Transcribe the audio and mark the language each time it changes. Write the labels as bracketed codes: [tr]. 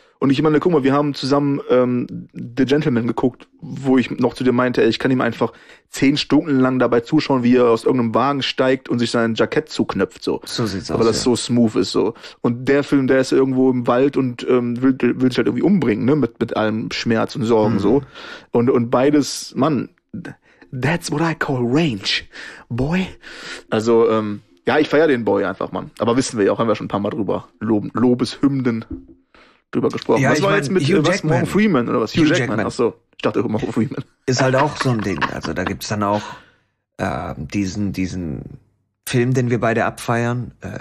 [de] Und ich meine, guck mal, wir haben zusammen The Gentleman geguckt, wo ich noch zu dir meinte, ey, ich kann ihm einfach 10 Stunden lang dabei zuschauen, wie er aus irgendeinem Wagen steigt und sich sein Jackett zuknöpft. So, so sieht's aber aus. Aber das so smooth ist so. Und der Film, der ist irgendwo im Wald und will sich halt irgendwie umbringen, ne? Mit allem Schmerz und Sorgen so. Und beides, Mann, [en] that's what I call range, boy. [de] Also, ja, ich feiere den Boy einfach, Mann. Aber wissen wir ja auch, haben wir schon ein paar Mal drüber. Lobeshymnen. Drüber gesprochen. Ja, was ich war mein, jetzt mit Morgan Freeman oder was? Hugh Jackman. Achso, ich dachte immer Morgan Freeman. Ist halt auch so ein Ding. Also da gibt's dann auch diesen Film, den wir beide abfeiern.